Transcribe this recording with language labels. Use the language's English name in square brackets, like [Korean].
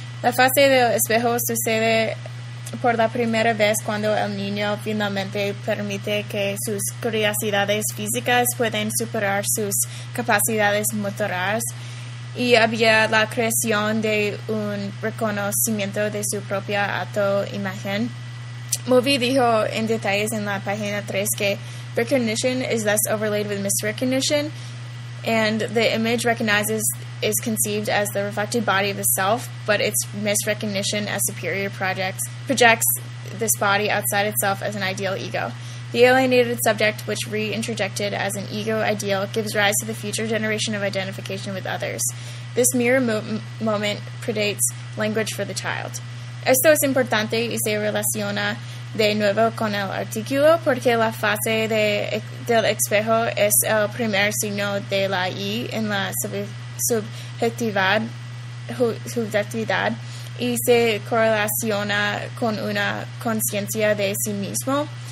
[Spanish] La fase del espejo sucede por la primera vez cuando el niño finalmente permite que sus curiosidades físicas pueden superar sus capacidades motoras, y había la creación de un reconocimiento de su propia autoimagen. Mulvey dijo en detalles en la página 3 que [English] recognition is thus overlaid with misrecognition, and the image recognizes is conceived as the reflected body of the self, but its misrecognition as superior projects this body outside itself as an ideal ego. The alienated subject, which reintroduced as an ego ideal, gives rise to the future generation of identification with others. This mirror moment predates language for the child. [Spanish] Esto es importante y se relaciona de nuevo con el artículo porque la fase del espejo es el primer signo de la I en la subjetividad y se correlaciona con una conciencia de sí mismo.